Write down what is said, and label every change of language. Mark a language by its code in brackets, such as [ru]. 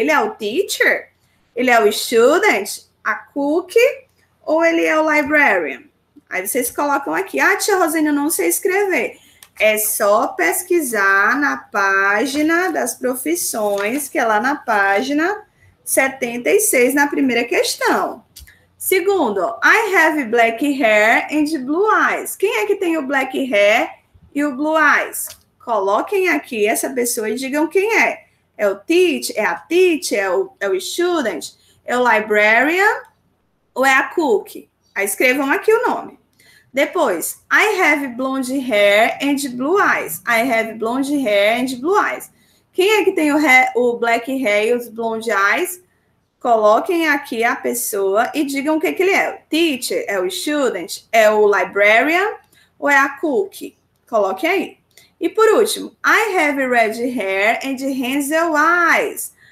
[pt] Ele é o teacher? Ele é o student? A cookie? Ou ele é o librarian? Aí vocês colocam aqui. Ah, tia Rosane, eu não sei escrever. É só pesquisar na página das profissões, que é lá na página 76, na primeira questão. [en] Segundo, I have black hair and blue eyes. [pt] Quem é que tem o [en] black hair [pt] e o [en] blue eyes? [pt] Coloquem aqui essa pessoa e digam quem é. É o teacher? É a teacher? É o student? É o librarian? Ou é a cookie? Aí escrevam aqui o nome. [en] Depois, I have blonde hair and blue eyes. I have blonde hair and blue eyes. [pt] Quem é que tem o black hair e os blonde eyes? Coloquem aqui a pessoa e digam o que, que ele é. Teacher? É o student? É o librarian? Ou é a cookie? Coloquem aí. E por último, [en] I have red hair and hazel eyes.